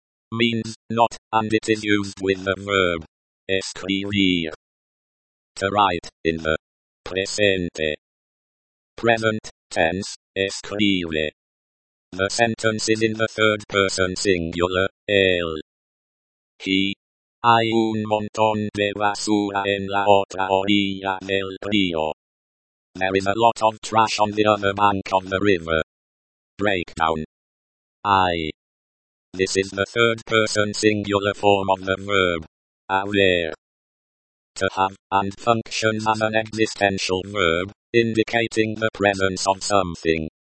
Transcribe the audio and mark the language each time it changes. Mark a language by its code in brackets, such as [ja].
[en] Means not, and it is used with the verb escribir. To write in the presente. Present tense, escribe. The sentence is in the third person singular, él. He. [es] Hay un montón de basura en la otra orilla del río. [en] There is a lot of trash on the other bank of the river. Breakdown. I. This is the third person singular form of the verb. Haber. To have, and functions as an existential verb, indicating the presence of something.